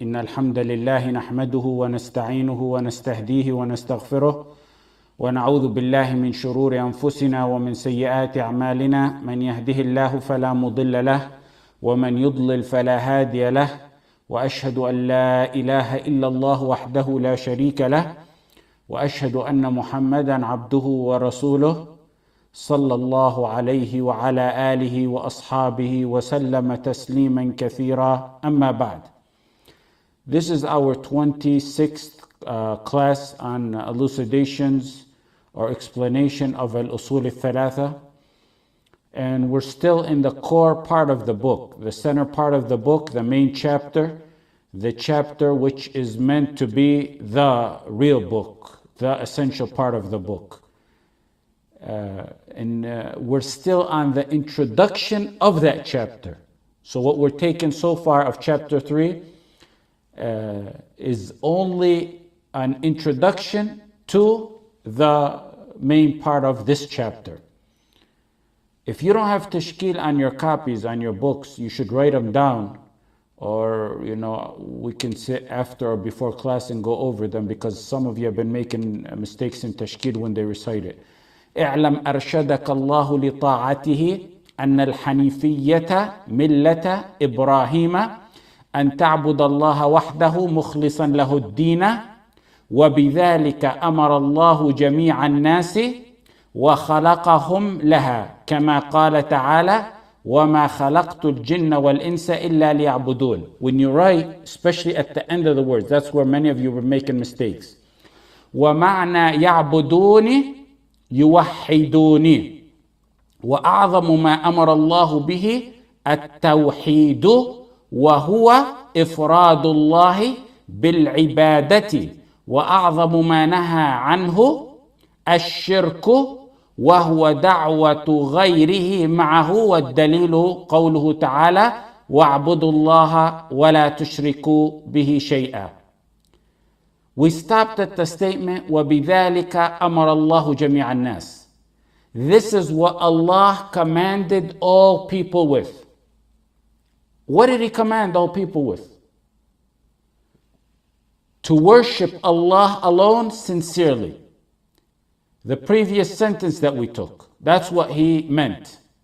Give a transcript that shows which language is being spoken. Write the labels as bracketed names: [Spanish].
[Arabic] إن الحمد لله نحمده ونستعينه ونستهديه ونستغفره ونعوذ بالله من شرور أنفسنا ومن سيئات أعمالنا، من يهده الله فلا مضل له ومن يضلل فلا هادي له، وأشهد أن لا إله إلا الله وحده لا شريك له، وأشهد أن محمدا عبده ورسوله صلى الله عليه وعلى آله وأصحابه وسلم تسليما كثيرا. أما بعد، [English] this is our 26th class on elucidations or explanation of al-usul al-thalatha, and we're still in the core part of the book, the center part of the book, the main chapter, the chapter which is meant to be the real book, the essential part of the book. We're still on the introduction of that chapter. So what we're taking so far of chapter 3 is only an introduction to the main part of this chapter. If you don't have tashkil on your copies, on your books, you should write them down. Or, you know, we can sit after or before class and go over them, because some of you have been making mistakes in tashkil when they recite it. [Arabic] اعلم أرشدك الله لطاعته أن الحنيفية ملة إبراهيم أن تعبد الله وحده مخلصا له الدين وبذلك أمر الله جميع الناس وخلقهم لها كما قال تعالى وما خلقت الجن والإنس إلا ليعبدون. [English] When you write, especially at the end of the words, that's where many of you were making mistakes. [Arabic] ومعنى يعبدوني يوحدوني وأعظم ما أمر الله به التوحيد وهو إفراد الله بالعبادة وأعظم ما نهى عنه الشرك وهو دعوة غيره معه والدليل قوله تعالى واعبدوا الله ولا تشركوا به شيئا. [English] We stopped at the statement, [Arabic] وَبِذَٰلِكَ أَمَرَ اللَّهُ جَمِيعَ النَّاسِ. [English] This is what Allah commanded all people with. What did He command all people with? To worship Allah alone sincerely. The previous sentence that we took, that's what He meant.